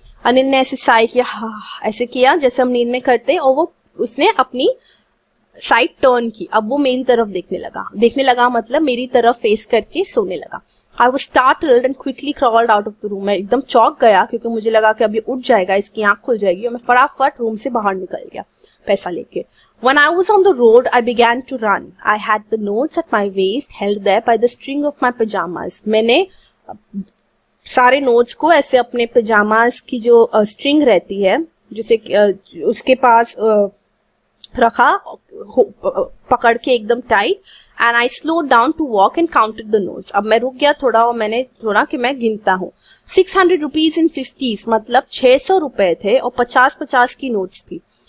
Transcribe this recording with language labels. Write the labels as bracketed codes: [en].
[hi] अनिल ने ऐसे साई किया, ऐसे किया जैसे हम नींद में करते, और वो उसने अपनी साइड टर्न की, अब वो मेरी तरफ देखने लगा, मतलब मेरी तरफ फेस करके सोने लगा। [en] I was startled and quickly crawled out of the room, [hi] मैं एकदम चौंक गया क्योंकि मुझे लगा कि अभी उठ जाएगा, इसकी आंख खुल जाएगी, और मैं फटाफट रूम से बाहर निकल गया पैसा लेके। [en] When I was on the road, I began to run. I had the notes at my waist held there by the string of my pajamas. [hi] मैंने सारे नोट्स को ऐसे अपने पजामाज की जो स्ट्रिंग रहती है जिसे उसके पास रखा, पकड़ के एकदम tight, [en] And I slow down to walk and counted the notes. [hi] अब मैं रुक गया थोड़ा और मैंने थोड़ा कि मैं गिनता हूँ। [en] 600 rupees in 50s, [hi] मतलब 600 रुपए थे और 50-50 की नोट्स थी।